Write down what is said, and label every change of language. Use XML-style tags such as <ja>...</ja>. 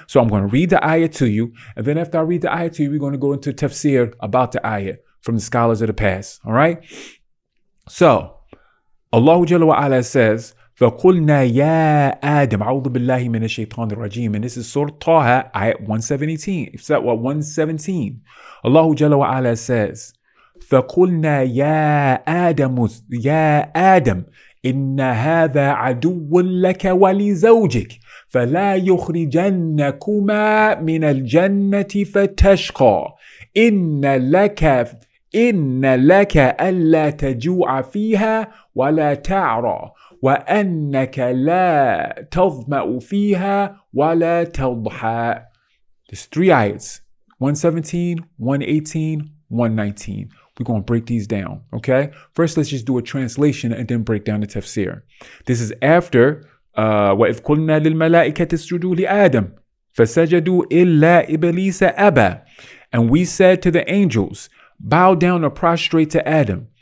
<en>So I'm going to read the ayah to you. And then after I read the ayah to you, we're going to go into tafsir about the ayah from the scholars of the past, all right? So Allah Jalla wa Ala says,</en> <ar>فَقُلْنَا يَا آدَمْ عَوْضُ بِاللَّهِ مِنَ الشَّيْطَانِ الرَّجِيمِ</ar> <en>And this is Surah Taha, ayat 117. Is that what? 117. Allah Jalla wa Ala says,</en> <ar>فَقُلْنَا يَا آدَمُ يَا آدَمْ إِنَّ هَذَا عَدُوٌ لَكَ وَلِزَوْجِكَ فَلَا يُخْرِجَنَّكُمَا مِنَ الْجَنَّةِ فَتَشْقَى إِنَّ لَكَ أَلَّا تَجُوعَ فِيهَا وَلَا تَعْرَى وَأَنَّكَ لَا تَظْمَأُ فِيهَا وَلَا تَضْحَى</ar> <en>There's three ayats. 117, 118, 119. We're going to break these down, okay? First, let's just do a translation and then break down the tafsir. This is after,</en> <ar>وَإِذْ قُلْنَا لِلْمَلَائِكَةِ اسْجُدُوا لِآدَمَ فَسَجَدُوا إِلَّا إِبْلِيسَ أَبَى</ar> <en>And we said to the angels, bow down or prostrate to Adam.</en>